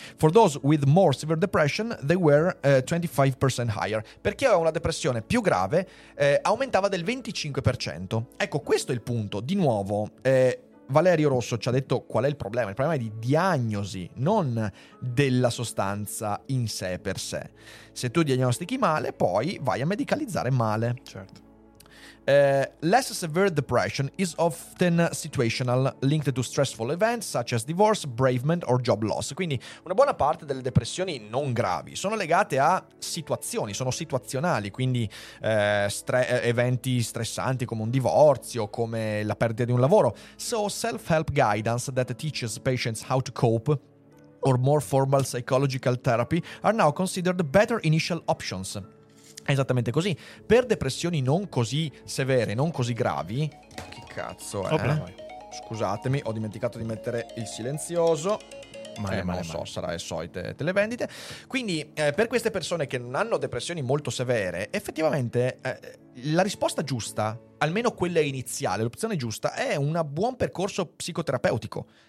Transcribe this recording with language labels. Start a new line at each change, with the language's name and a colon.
English: For those with more severe depression, they were 25% higher.
Italian: Per chi aveva una depressione più grave, aumentava del 25%. Ecco, questo è il punto. Di nuovo, Valerio Rosso ci ha detto qual è il problema. Il problema è di diagnosi, non della sostanza in sé per sé. Se tu diagnostichi male, poi vai a medicalizzare male. Certo.
English: Less severe depression is often situational, linked to stressful events such as divorce, bereavement or job loss.
Italian: Quindi una buona parte delle depressioni non gravi sono legate a situazioni, sono situazionali, quindi eventi stressanti come un divorzio, come la perdita di un lavoro.
English: So self-help guidance that teaches patients how to cope or more formal psychological therapy are now considered better initial options.
Italian: Esattamente così. Per depressioni non così severe, non così gravi... Che cazzo è? Opla. Scusatemi, ho dimenticato di mettere il silenzioso. Male. So, sarà le solite televendite. Quindi, per queste persone che non hanno depressioni molto severe, effettivamente la risposta giusta, almeno quella iniziale, l'opzione giusta, è un buon percorso psicoterapeutico.